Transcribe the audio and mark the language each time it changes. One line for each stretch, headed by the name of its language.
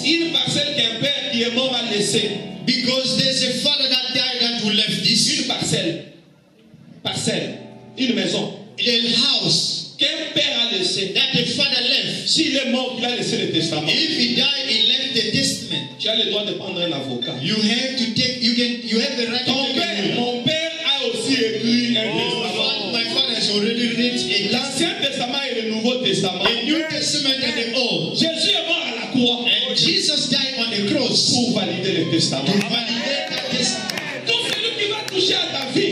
French: Une parcelle qu'un père qui est mort a laissé,
English: because there's a father that died and who left this.
French: Une parcelle, une maison,
English: a house.
French: Quel père a laissé?
English: That the father left.
French: S'il est mort, il a laissé le testament.
English: If he died, he left the testament.
French: Tu as le droit de prendre un avocat.
English: You have to take, you can, you have the right
French: ton
English: to take
French: père, mon père a aussi écrit un testament.
English: My father has already written a
French: l'Ancien Testament et le Nouveau Testament.
English: The New Testament and the Old.
French: Jésus est mort à la croix.
English: And Jesus died on the cross.
French: Pour valider le testament.
English: To validate the testament.
French: Tout celui qui va toucher à ta vie.